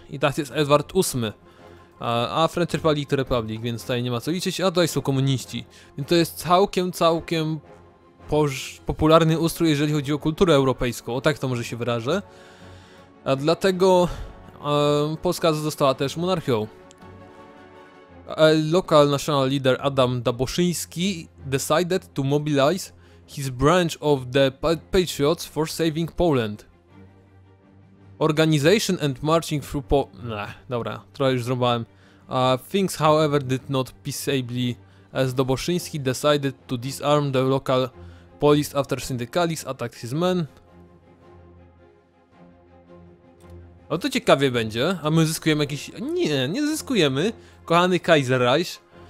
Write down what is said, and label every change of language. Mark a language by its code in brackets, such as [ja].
[pl] I teraz jest Edward VIII. A French Republic to Republic, więc tutaj nie ma co liczyć, a tutaj są komuniści. Więc to jest całkiem popularny ustrój, jeżeli chodzi o kulturę europejską, o tak to może się wyrażę. A dlatego Polska została też monarchią. [en] Local national leader Adam Daboszyński decided to mobilize his branch of the Patriots for saving Poland. Organization and marching through Poland. [pl] Dobra, trochę już zrobiłem. [en] Things however did not peaceably as Daboszyński decided to disarm the local police after syndicalists attacked his men. [pl] No to ciekawie będzie, a my zyskujemy jakiś... Nie zyskujemy, kochany Kaiserreich.